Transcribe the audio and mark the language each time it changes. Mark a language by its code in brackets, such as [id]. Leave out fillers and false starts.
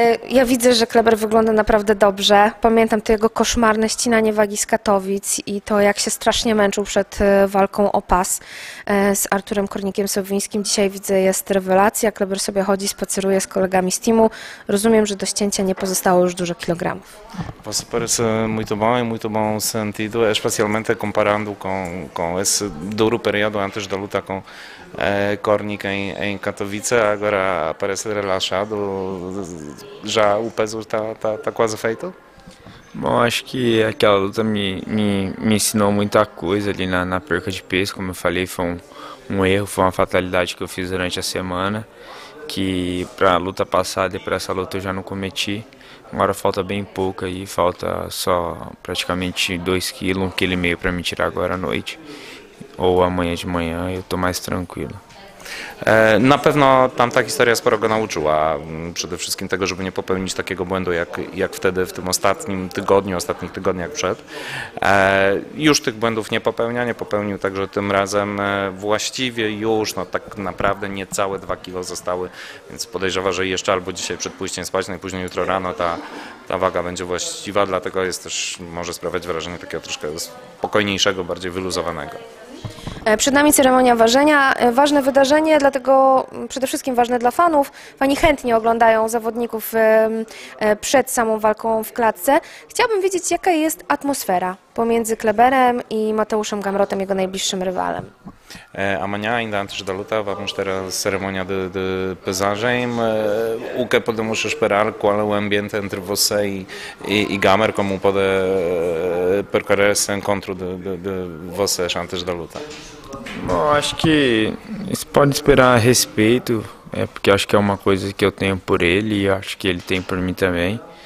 [pl] Ja widzę, że Kleber wygląda naprawdę dobrze. Pamiętam to jego koszmarne ścinanie wagi z Katowic i to, jak się strasznie męczył przed walką o pas z Arturem Kornikiem-Sowińskim. Dzisiaj widzę, jest rewelacja. Kleber sobie chodzi, spaceruje z kolegami z teamu. Rozumiem, że do ścięcia nie pozostało już dużo kilogramów. [pt] Po super es muito bom, muito bom sentido, especialmente comparando com esse duro período antes da luta com Kornik em Katowice. Agora parece relaxado. Já o peso tá quase feito? Bom, acho que aquela luta me ensinou muita coisa ali na perca de peso. Como eu falei, foi um erro, foi uma fatalidade que eu fiz durante a semana, que para a luta passada e para essa luta eu já não cometi. Agora falta bem pouco aí, falta só praticamente 2 quilos, 1,5 quilos para me tirar agora à noite ou amanhã de manhã, eu estou mais tranquilo. [pl] Na pewno tamta historia sporo go nauczyła, przede wszystkim tego, żeby nie popełnić takiego błędu jak wtedy w tym ostatnich tygodniach przed. Już tych błędów nie popełnił, także tym razem właściwie już tak naprawdę niecałe 2 kilo zostały, więc podejrzewa, że jeszcze albo dzisiaj przed pójściem spać, najpóźniej jutro rano ta waga będzie właściwa, dlatego jest też, może sprawiać wrażenie takiego troszkę spokojniejszego, bardziej wyluzowanego. Przed nami ceremonia ważenia. Ważne wydarzenie, dlatego przede wszystkim ważne dla fanów. Fani chętnie oglądają zawodników przed samą walką w klatce. Chciałabym wiedzieć, jaka jest atmosfera pomiędzy Kleberem i Mateuszem Gamrotem, jego najbliższym rywalem. [pt] Amanhã, ainda antes da luta, vamos ter a cerimônia de pesagem. O que podemos esperar? Qual é o ambiente entre você e Gamer? Como pode percorrer esse encontro de vocês antes da luta? Bom, acho que se pode esperar respeito, porque acho que é uma coisa que eu tenho por ele e acho que ele tem por mim também.